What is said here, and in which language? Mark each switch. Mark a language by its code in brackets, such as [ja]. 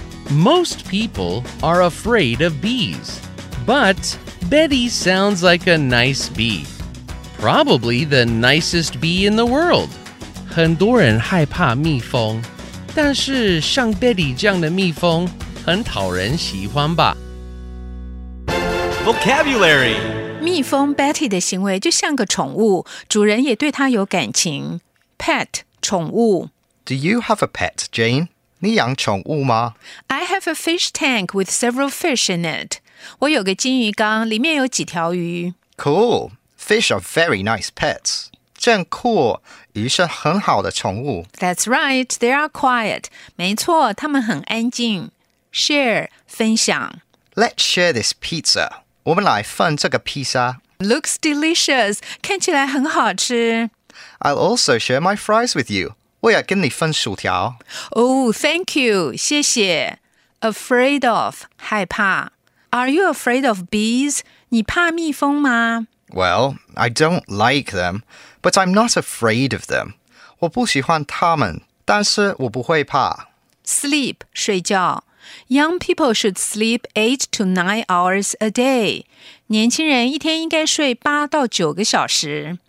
[en] Most people are afraid of bees, but Betty sounds like a nice bee. Probably the nicest bee in the world. [zh] 很多人害怕蜜蜂，但是像 Betty 这样的蜜蜂很讨人喜欢吧。 [en] Vocabulary [zh] 蜜蜂 Betty 的行为就像个宠物，主人也对它有感情。 Pet 宠物。 [en] Do you have a pet, Jane? [zh] 你养宠物吗？ [en] I have a fish tank with several fish in it. [zh] 我有个金鱼缸，里面有几条鱼。 [en] Cool, fish are very nice pets. [zh] 真酷，鱼是很好的宠物。 [en] That's right, they are quiet. [zh] 没错，他们很安静。 Share, 分享。 [en] Let's share this pizza. [zh] 我们来分这个披萨。 [en] Looks delicious, [zh] 看起来很好吃。 [en] I'll also share my fries with you. [zh] 我也跟你分薯条。 [en] Oh, thank you, [zh] 谢谢。 [en] Afraid of, 害怕。 Are you afraid of bees? [zh] 你怕蜜蜂吗？ [en] Well, I don't like them, but I'm not afraid of them. [zh] 我不喜欢它们，但是我不会怕。 Sleep, 睡觉。 [en] Young people should sleep 8 to 9 hours a day. [zh] 年轻人一天应该睡8到9个小时。